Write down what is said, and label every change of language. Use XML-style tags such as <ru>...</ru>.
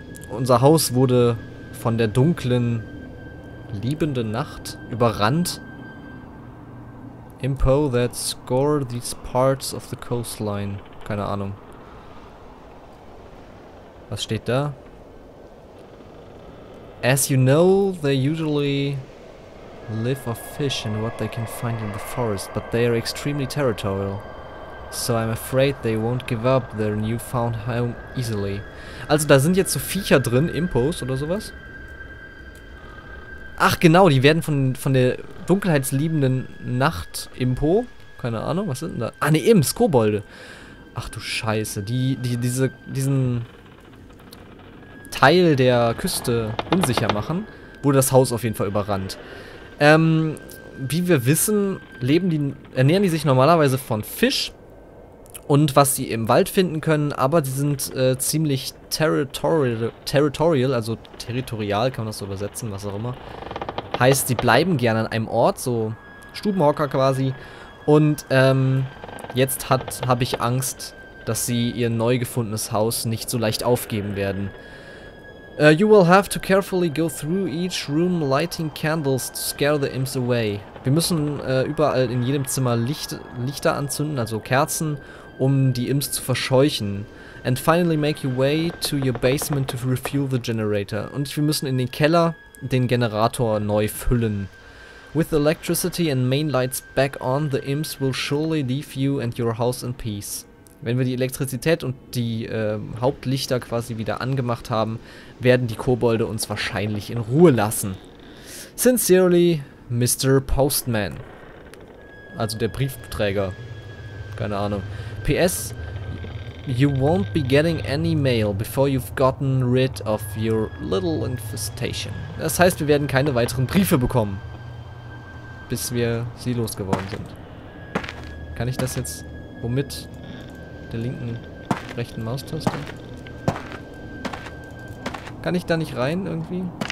<de>Unser Haus wurde von der dunklen, liebenden Nacht überrannt.</de> <en>Impo that score these parts of the coastline.</en> <de>Keine Ahnung. Was steht da?</de> <en>As you know, they usually live off fish and what they can find in the forest, but they are extremely territorial. So I'm afraid they won't give up their newfound home easily.</en> <de>Also da sind jetzt so Viecher drin, Impos oder sowas. Ach genau, die werden von der dunkelheitsliebenden Nacht-Impo. Keine Ahnung, was sind denn da? Ah ne, Imps, Kobolde. Ach du Scheiße, diesen Teil der Küste unsicher machen, wurde das Haus auf jeden Fall überrannt. Wie wir wissen, ernähren die sich normalerweise von Fisch und was sie im Wald finden können, aber sie sind ziemlich territorial, kann man das so übersetzen, was auch immer. Heißt, sie bleiben gerne an einem Ort, so Stubenhocker quasi. Und jetzt habe ich Angst, dass sie ihr neu gefundenes Haus nicht so leicht aufgeben werden.</de> <en>You will have to carefully go through each room lighting candles to scare the imps away.</en> <de>Wir müssen überall in jedem Zimmer Lichter anzünden, also Kerzen, um die Imps zu verscheuchen.</de> <en>And finally make your way to your basement to refuel the generator.</en> <de>Und wir müssen in den Keller den Generator neu füllen.</de> <en>With electricity and main lights back on, the imps will surely leave you and your house in peace.</en> <de>Wenn wir die Elektrizität und die Hauptlichter quasi wieder angemacht haben, werden die Kobolde uns wahrscheinlich in Ruhe lassen.</de> <en>Sincerely, Mr. Postman.</en> <de>Also der Briefträger. Keine Ahnung.</de> <en>PS, you won't be getting any mail before you've gotten rid of your little infestation.</en> <de>Das heißt, wir werden keine weiteren Briefe bekommen, bis wir sie losgeworden sind. Kann ich das jetzt womit? Der linken, rechten Maustaste? Kann ich da nicht rein irgendwie?</de>